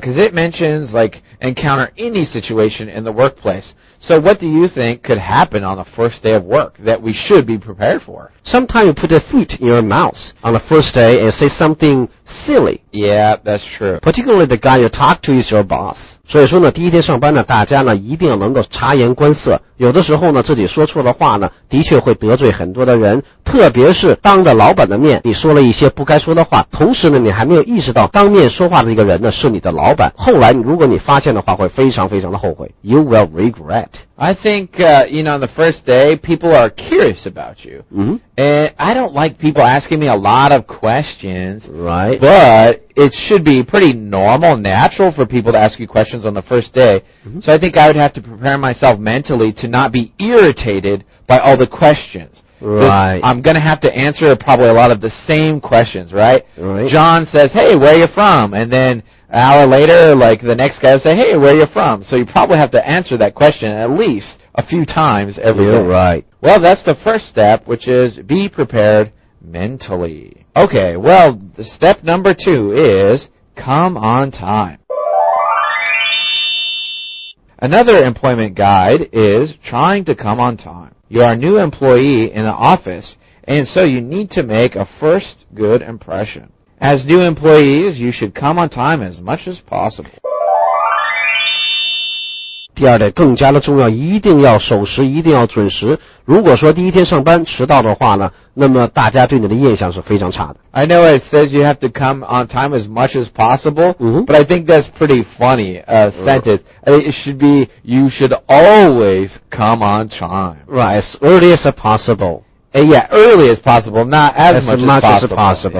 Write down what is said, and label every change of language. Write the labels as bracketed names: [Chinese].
[English] Because it mentions like encounter any situation in the workplace. So what do you think could happen on the first day of work that we should be prepared for? Sometimes you put a foot in your mouth on the first day and say something silly. Yeah, that's true. Particularly the guy you talk to is your boss. [Chinese] 所以说呢第一天上班呢大家呢一定要能够察言观色。有的时候呢自己说错的话呢的确会得罪很多的人。特别是当着老板的面你说了一些不该说的话，同时呢你还没有意识到当面说话的那个人呢是你的老板，后来如果你发现的话会非常非常的后悔。 [English] You will regret. I think, you know, on the first day, people are curious about you. And I don't like people asking me a lot of questions. Right. But it should be pretty normal, natural for people to ask you questions on the first day. So I think I would have to prepare myself mentally to not be irritated by all the questions. Right. I'm going to have to answer probably a lot of the same questions, right? Right. John says, hey, where are you from? And then an hour later, like the next guy will say, hey, where are you from? So you probably have to answer that question at least a few times every day. You're right. Well, that's the first step, which is be prepared mentally. Okay, well, step number two is come on time. Another employment guide is trying to come on time. You are a new employee in the office, and so you need to make a first good impression. As new employees, you should come on time as much as possible. [Chinese] 第二点更加的重要，一定要守时，一定要准时。如果说第一天上班迟到的话呢，那么大家对你的印象是非常差的。 [English] I know it says you have to come on time as much as possible, but I think that's pretty funny, sentence. It should be, you should always come on time. Right, as early as possible. Yeah, early as possible, not as much as possible.